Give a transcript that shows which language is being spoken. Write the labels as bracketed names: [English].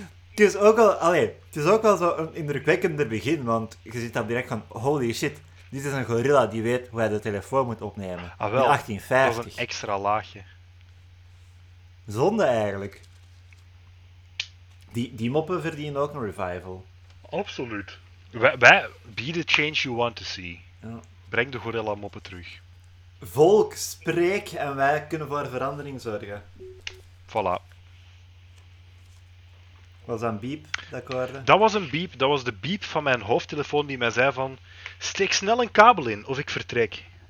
[Dutch] Het is ook wel zo'n indrukwekkender begin, want je ziet dan direct van, [English] holy shit, [Dutch] dit is een gorilla die weet hoe hij de telefoon moet opnemen. Ah, wel, in 1850. Dat was een extra laagje. Zonde eigenlijk. Die moppen verdienen ook een revival. Absoluut. [English] Wij be the change you want to see. [Dutch] Ja. Breng de gorilla moppen terug. Volk, spreek en wij kunnen voor verandering zorgen. Voilà. Was dat een beep dat ik hoorde? Dat was een beep. Dat was de beep van mijn hoofdtelefoon die mij zei van... Steek snel een kabel in of ik vertrek.